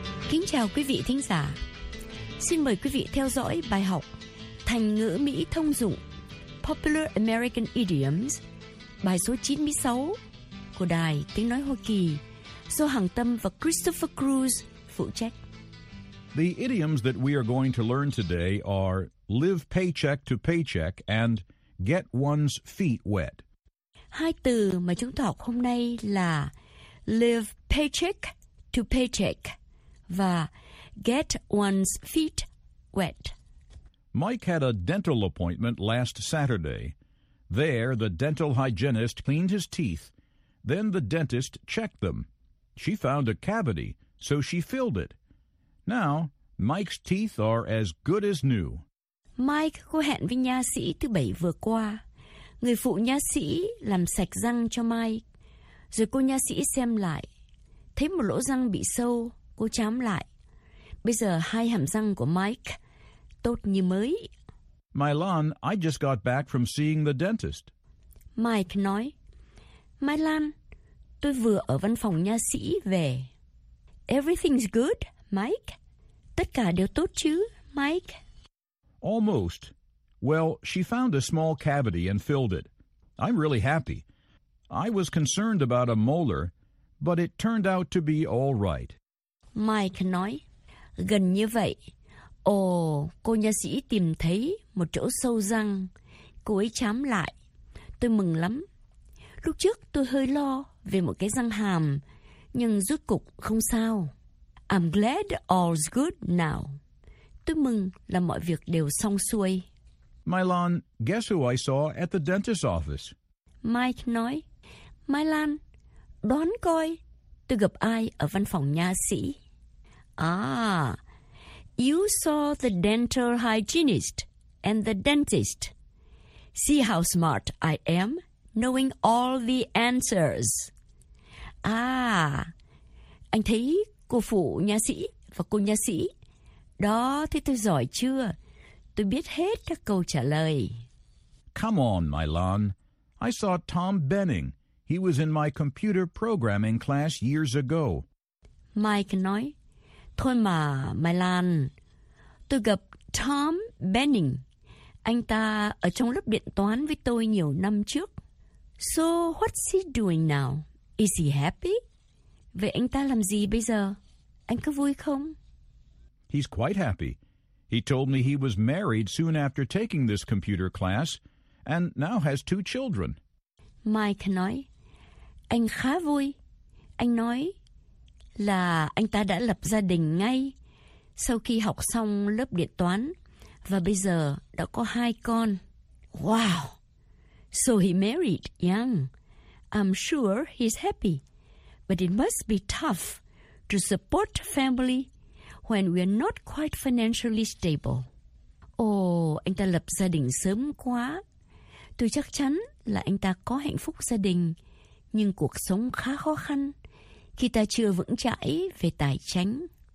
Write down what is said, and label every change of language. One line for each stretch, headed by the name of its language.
Vietnamese: Kính chào quý vị thính giả. Xin mời quý vị theo dõi bài học Thành ngữ Mỹ thông dụng
English: Popular American Idioms,
Vietnamese: bài số 96 của Đài Tiếng Nói Hoa Kỳ do Hằng Tâm và Christopher Cruz phụ trách.
English: The idioms that we are going to learn today are live paycheck to paycheck and get one's feet wet.
Vietnamese: Hai từ mà chúng ta học hôm nay là
English: live paycheck to paycheck
Vietnamese: và
English: get one's feet wet. Mike had a dental appointment last Saturday. There, the dental hygienist cleaned his teeth. Then the dentist checked them. She found a cavity, so she filled it. Now, Mike's teeth are as good as new.
Vietnamese: Mike có hẹn với nha sĩ thứ bảy vừa qua. Người phụ nha sĩ làm sạch răng cho Mai. Rồi cô nha sĩ xem lại, thấy một lỗ răng bị sâu, cô chám lại. Bây giờ hai hàm răng của Mike tốt như mới.
English: Mylan, I just got back from seeing the dentist.
Vietnamese: Mike nói, Mylan, tôi vừa ở văn phòng nha sĩ về.
English: Everything's good, Mike?
Vietnamese: Tất cả đều tốt chứ, Mike?
English: Almost. Well, she found a small cavity and filled it. I'm really happy. I was concerned about a molar, but it turned out to be all right.
Vietnamese: Mike nói, gần như vậy. Ồ, cô nha sĩ tìm thấy một chỗ sâu răng. Cô ấy chám lại. Tôi mừng lắm. Lúc trước tôi hơi lo về một cái răng hàm, nhưng rốt cục không sao.
English: I'm glad all's good now.
Vietnamese: Tôi mừng là mọi việc đều xong xuôi.
English: Mylan, guess who I saw at the dentist's office?
Vietnamese: Mike nói, Mylan, đoán coi, tôi gặp ai ở văn phòng nha sĩ?
English: You saw the dental hygienist and the dentist. See how smart I am, knowing all the answers.
Vietnamese: Anh thấy cô phụ nha sĩ và cô nha sĩ. Đó, thế tôi giỏi chưa? Tôi biết hết các câu trả lời.
English: Come on, Mylan. I saw Tom Benning. He was in my computer programming class years ago.
Vietnamese: Mike nói, thôi mà, Mylan. Tôi gặp Tom Benning. Anh ta ở trong lớp điện toán với tôi nhiều năm trước.
English: So, what's he doing now? Is he happy?
Vietnamese: Vậy anh ta làm gì bây giờ? Anh có vui không?
English: He's quite happy. He told me he was married soon after taking this computer class and now has two children.
Vietnamese: Mike nói, anh khá vui. Anh nói là anh ta đã lập gia đình ngay sau khi học xong lớp điện toán và bây giờ đã có hai con.
English: Wow! So he married young. I'm sure he's happy. But it must be tough to support family when we are not quite financially stable.
Vietnamese: Oh, anh ta lập gia đình sớm quá. Tôi chắc chắn là anh ta có hạnh phúc gia đình, nhưng cuộc sống khá khó khăn khi ta chưa vững chãi về tài chính.